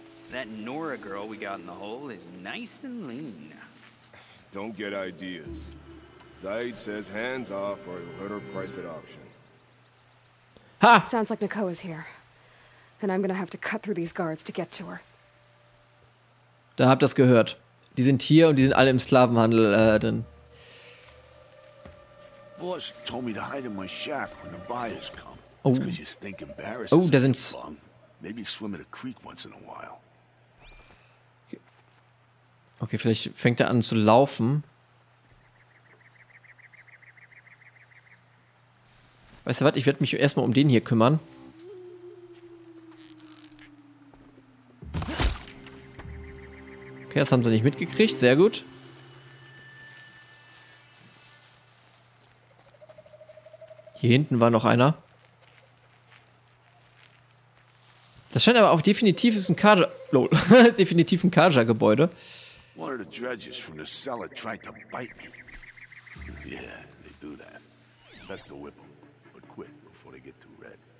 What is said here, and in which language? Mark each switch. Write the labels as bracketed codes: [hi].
[en] That Nora girl we got in the hole is nice and lean. Don't get ideas. Zaid says hands off or he'll hurt her price at auction. Ha! Sounds like Nicole is here. And I'm gonna have to cut through these guards to get to her. [de] Da habt ihr das gehört. Die sind hier und die sind alle im Sklavenhandel, drin. Oh, da sind... [en] Maybe swim in a creek once in a while. [de] Okay, vielleicht fängt er an zu laufen. Weißt du was? Ich werde mich erstmal um den hier kümmern. Okay, das haben sie nicht mitgekriegt. Sehr gut. Hier hinten war noch einer. Das scheint aber auch definitiv ist ein Kaja. Lol. Definitiv ein Kaja-Gebäude. [en] One of the dredges from the cellar tried to bite me. Yeah, they do that. Best to whip them, but quick before they get too red.